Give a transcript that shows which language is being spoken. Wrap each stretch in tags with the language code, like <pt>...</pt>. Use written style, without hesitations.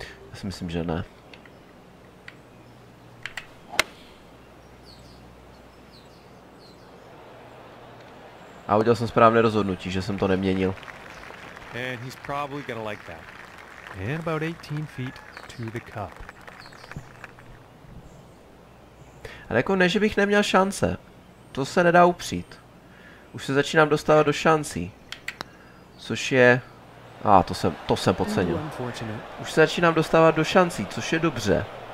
<cs>Já si myslím, že ne. A udělal jsem správné rozhodnutí, že jsem to neměnil.</cs> <en>And he's probably gonna like that. And about 18 feet to the cup.</en> <cs>Ale jako ne, že bych neměl šance. To se nedá upřít. Už se začínám dostávat do šancí. Což je... A, to jsem podcenil. Už se začínám dostávat do šancí, což je dobře.</cs>